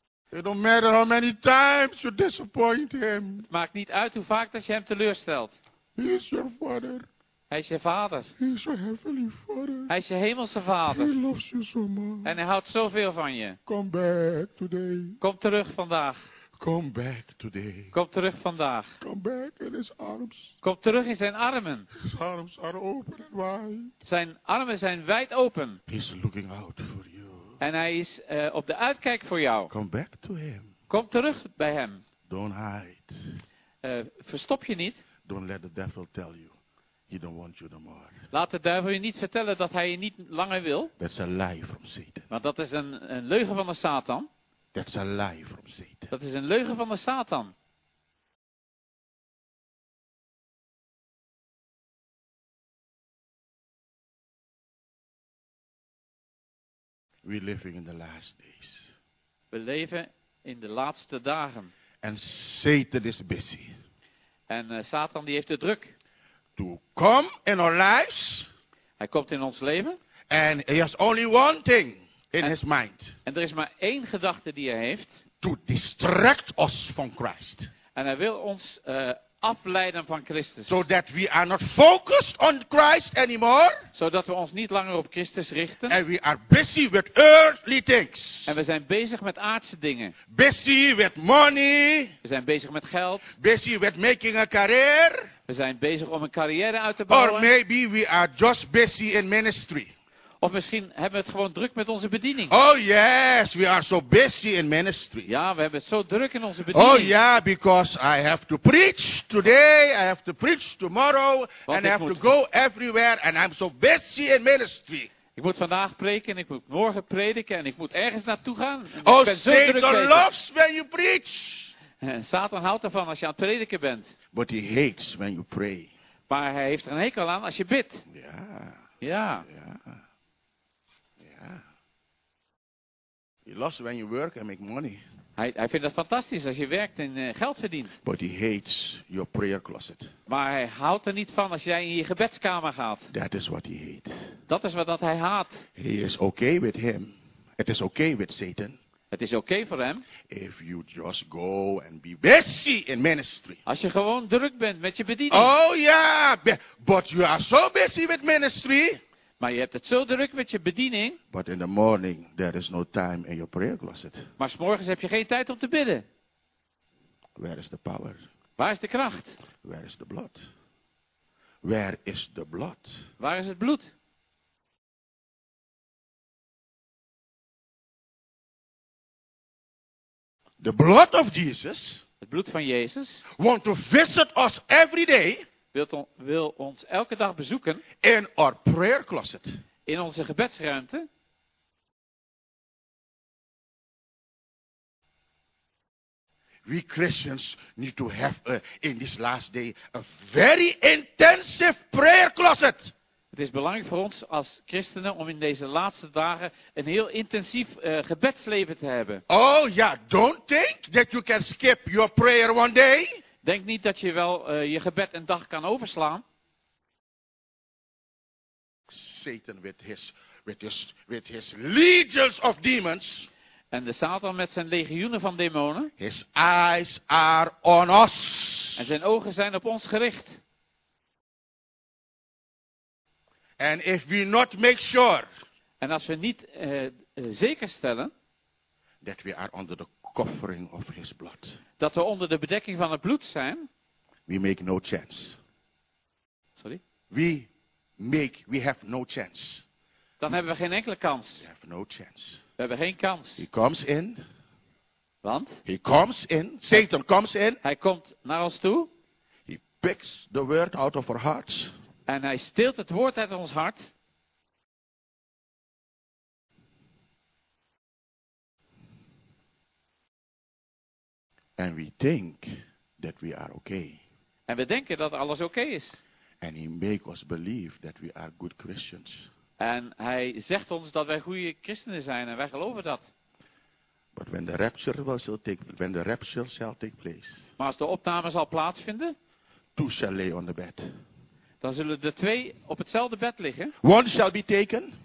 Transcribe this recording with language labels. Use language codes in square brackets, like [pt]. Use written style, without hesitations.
[en] It don't matter how many times you disappoint him. [nl] Het maakt niet uit hoe vaak dat je hem teleurstelt. [en] He is your father. [nl] Hij is je vader. [en] He is your heavenly father. [nl] Hij is je hemelse vader. [en] He loves you so much. [nl] En hij houdt zoveel van je. [en] Come back today. [nl] Kom terug vandaag. [en] Come back today. [nl] Kom terug vandaag. [en] Come back in his arms. [nl] Kom terug in zijn armen. [en] His arms are open and wide. [nl] Zijn armen zijn wijd open. [en] He's looking out for you. [nl] En hij is op de uitkijk voor jou. [en] Come back to him. [nl] Kom terug bij hem. [en] Don't hide. [nl] Verstop je niet. [en] Don't let the devil tell you he don't want you no more. [nl] Laat de duivel je niet vertellen dat hij je niet langer wil. [en] That's a lie from Satan. [nl] Want dat is een leugen van de Satan. [en] That's a lie from Satan. [nl] Dat is een leugen van de Satan. [en] We living in the last days. [nl] We leven in de laatste dagen. [en] And Satan is busy. [nl] En Satan die heeft de druk. [en] To come in our lives. [nl] Hij komt in ons leven. [en] And he has only one thing. In his mind. [nl] En er is maar één gedachte die hij heeft. [en] To distract us from Christ. [nl] En hij wil ons afleiden van Christus. [en] So that we are not focused on Christ anymore. [nl] Zodat we ons niet langer op Christus richten. [en] And we are busy with earthly things. [nl] En we zijn bezig met aardse dingen. [en] Busy with money. [nl] We zijn bezig met geld. [en] Busy with making a career. [nl] We zijn bezig om een carrière uit te bouwen. [en] Or maybe we are just busy in ministry. [nl] Of misschien hebben we het gewoon druk met onze bediening. [en] Oh yes, we are so busy in ministry. [nl] Ja, we hebben het zo druk in onze bediening. [en] Oh yeah, because I have to preach today, I have to preach tomorrow, [nl] want [en] and I have to go everywhere, and I'm so busy in ministry. [nl] Ik moet vandaag preken en ik moet morgen prediken en ik moet ergens naartoe gaan. [en] Oh, Satan loves when you preach. [nl] Satan houdt ervan als je aan het prediken bent. [en] But he hates when you pray. [nl] Maar hij heeft er een hekel aan als je bidt. Ja. Ja. Ja. Ja. [en] He loves when you work and make money. [nl] Hij vindt het fantastisch als je werkt en geld verdient. [en] But he hates your prayer closet. [nl] Maar hij houdt er niet van als jij in je gebedskamer gaat. [en] That is what he hates. [nl] Dat is wat hij haat. [en] He is okay with him. It is okay with Satan. [nl] Het is okay voor hem. [en] If you just go and be busy in ministry. [nl] Als je gewoon druk bent met je bediening. [en] Oh yeah, but you are so busy with ministry. [nl] Maar je hebt het zo druk met je bediening. [en] But in the morning there is no time in your prayer closet. [nl] Maar 's morgens heb je geen tijd om te bidden. [en] Where is the power? [nl] Waar is de kracht? [en] Where is the blood? Where is the blood? [nl] Waar is het bloed? [en] The blood of Jesus. [nl] Het bloed van Jezus. [en] Want to visit us every day. [nl] Wil ons elke dag bezoeken. [en] In our prayer closet. [nl] In onze gebedsruimte. [en] We Christians need to have in this last day a very intensive prayer closet. [nl] Het is belangrijk voor ons als christenen om in deze laatste dagen een heel intensief gebedsleven te hebben. Oh ja, yeah. [en] Don't think that you can skip your prayer one day. [nl] Denk niet dat je wel je gebed een dag kan overslaan. [en] Satan with his legions of demons. [nl] En de Satan met zijn legioenen van demonen. [en] His eyes are on us. [nl] En zijn ogen zijn op ons gericht. [en] And if we not make sure. [nl] En als we niet zeker stellen. [en] That we are under the covering of his blood. [nl] Dat we onder de bedekking van het bloed zijn. [en] We make no chance. Sorry? We have no chance. [nl] Dan hebben we geen enkele kans. [en] We have no chance. [nl] We hebben geen kans. [en] He comes in. [nl] Want? [en] He comes in. Satan comes in. [nl] Hij komt naar ons toe. [en] He picks the word out of our hearts. [nl] En hij steelt het woord uit ons hart. [en] And we think that we are okay. [nl] En we denken dat alles okay is. [en] And he makes us believe that we are good Christians. [nl] En hij zegt ons dat wij goede christenen zijn en wij geloven dat. [en] But when the rapture shall take place. [nl] Maar als de opname zal plaatsvinden. [en] Two shall lay on the bed. [nl] Dan zullen de twee op hetzelfde bed liggen. [en] One shall be taken.